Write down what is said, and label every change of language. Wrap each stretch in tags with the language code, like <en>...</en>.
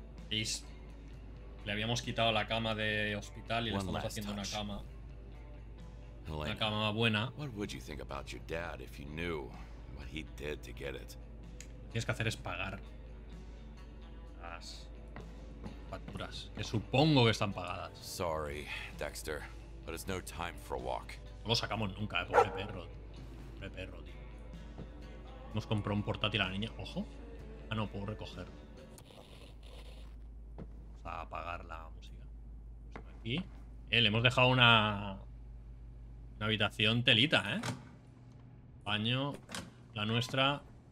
<es>¿Veis? Le habíamos quitado la cama de hospital y le estamos haciendo una cama. Una cama buena. ¿Qué pensarías de tu padre si sabías lo que hizo para conseguirlo? Tienes que hacer es pagar las facturas, que supongo que están pagadas.</es> <en>Sorry, Dexter, but it's no time for a walk.</en> <es>No lo sacamos nunca, pobre perro. Pobre perro, tío. Hemos comprado un portátil a la niña. Ojo. Ah, no, puedo recoger. Vamos a apagar la música. Aquí. Le hemos dejado una habitación telita, ¿eh? Baño. La nuestra.</es>